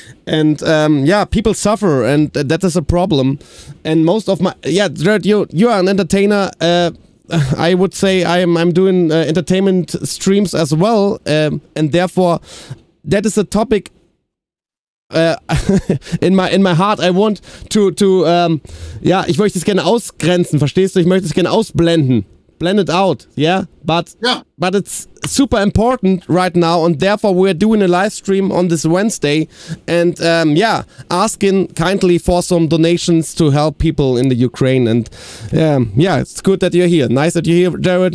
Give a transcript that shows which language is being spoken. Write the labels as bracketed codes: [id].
[en] And people suffer, and that is a problem. And most of you are an entertainer. I would say I'm doing entertainment streams as well, and therefore that is a topic in my heart. I want to [de] ich möchte es gerne ausgrenzen, verstehst du? Ich möchte es gerne ausblenden. [en] Blend it out, yeah? But it's super important right now, and therefore we're doing a live stream on this Wednesday, and asking kindly for some donations to help people in the Ukraine. And it's good that you're here. Nice that you're here, Jared.